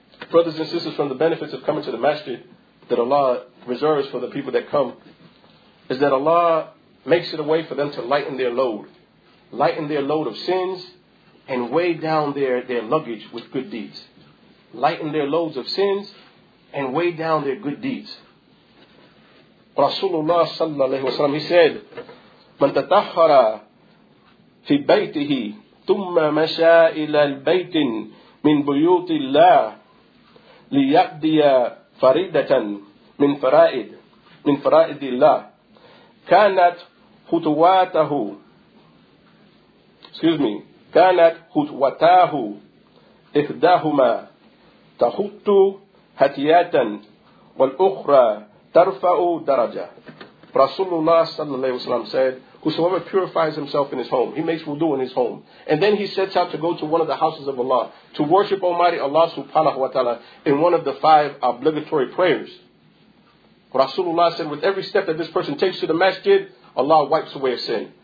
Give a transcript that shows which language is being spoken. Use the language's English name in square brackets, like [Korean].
[English] Brothers and sisters, from the benefits of coming to the masjid that Allah reserves for the people that come, is that Allah makes it a way for them to lighten their load. Lighten their load of sins and weigh down their luggage with good deeds. Lighten their loads of sins and weigh down their good deeds. Rasulullah sallallahu alayhi wa sallam, he said, [Arabic] من تطهر في بيته ثم مشى إلى البيت من بيوت الله ليؤدي فريضة من فرائض الله كانت خطواته كانت خطواته إحداهما تخط هتياتا والأخرى ترفع درجة. [English] Rasulullah sallallahu alayhi wa sallam said, whosoever purifies himself in his home, he makes wudu in his home, and then he sets out to go to one of the houses of Allah to worship Almighty Allah subhanahu wa ta'ala in one of the 5 obligatory prayers. Rasulullah said, with every step that this person takes to the masjid, Allah wipes away his sin.